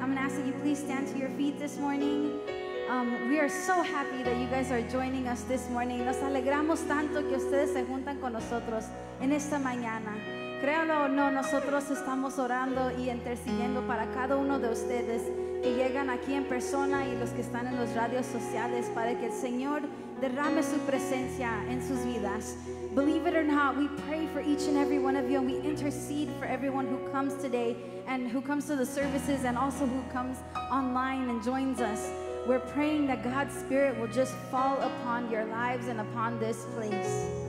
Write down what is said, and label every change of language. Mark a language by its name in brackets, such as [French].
[English] I'm going to ask that you please stand to your feet this morning. We are so happy that you guys are joining us this morning. [Spanish] Nos alegramos tanto que ustedes se juntan con nosotros en esta mañana. Créalo o no, nosotros estamos orando y intercediendo para cada uno de ustedes que llegan aquí en persona y los que están en los radios sociales para que el Señor derrame su presencia en sus vidas. [English] Believe it or not, we pray for each and every one of you, and we intercede for everyone who comes today and who comes to the services and also who comes online and joins us. We're praying that God's Spirit will just fall upon your lives and upon this place.